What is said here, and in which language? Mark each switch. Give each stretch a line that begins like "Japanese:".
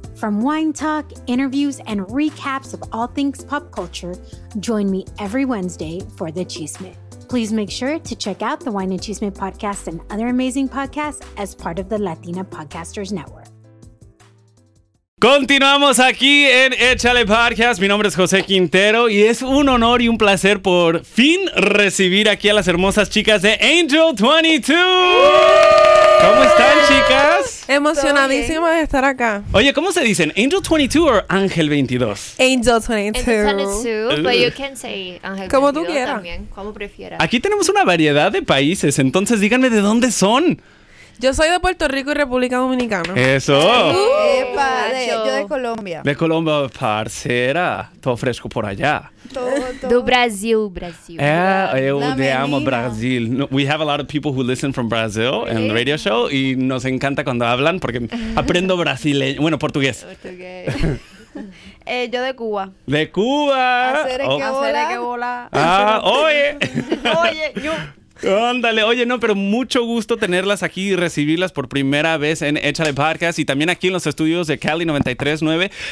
English: From wine talk, interviews, and recaps of all things pop culture, join me every Wednesday for the chisme. Please make sure to check out the Wine and Chisme podcast and other amazing podcasts as part of the Latina Podcasters Network.
Spanish: Continuamos aquí en Échale Podcast. Mi nombre es José Quintero y es un honor y un placer por fin recibir aquí a las hermosas chicas de Angel 22. ¿Cómo están, chicas? Emocionadísima de estar acá. Oye, ¿cómo se dicen? ¿Angel 22 o Ángel 22? Angel 22. Angel 22,
English: but you can say
Spanish: Ángel 22. Como tú quieras. También, como prefieras. Aquí tenemos una variedad de países, entonces díganme de dónde son. Yo soy de Puerto Rico y República Dominicana. ¡Eso! ¡Epa! Yo de Colombia. De Colombia, parcera. Todo fresco por allá.
Portuguese: Todo. Do Brasil, Brasil.
Spanish: Yo te amo Brasil.
English: No, we have a lot of people who listen from Brazil in the radio show.
Spanish: Y nos encanta cuando hablan porque aprendo brasileño. Bueno, portugués. Yo de Cuba. ¡De Cuba! ¡Acere que bola! ¡Ah, oye! ¡Oye, yo! Ándale, oye, no, pero mucho gusto tenerlas aquí y recibirlas por primera vez en Échale Podcast y también aquí en los estudios de Cali 93.9.